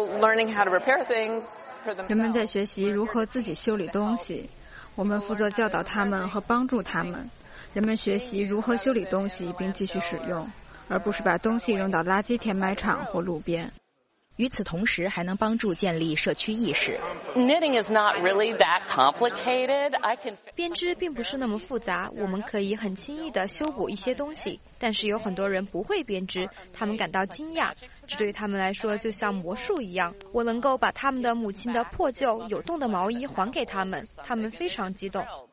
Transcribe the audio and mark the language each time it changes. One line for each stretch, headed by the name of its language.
Chinese: 人们在学习如何自己修理东西，我们负责教导他们和帮助他们。人们学习如何修理东西并继续使用，而不是把东西扔到垃圾填埋场或路边。与此同时，还能帮助建立社区意识。
English: Knitting is not really that complicated. I can.
Chinese: 编织并不是那么复杂，我们可以很轻易地修补一些东西。但是有很多人不会编织，他们感到惊讶，这对他们来说就像魔术一样。我能够把他们的母亲的破旧有洞的毛衣还给他们，他们非常激动。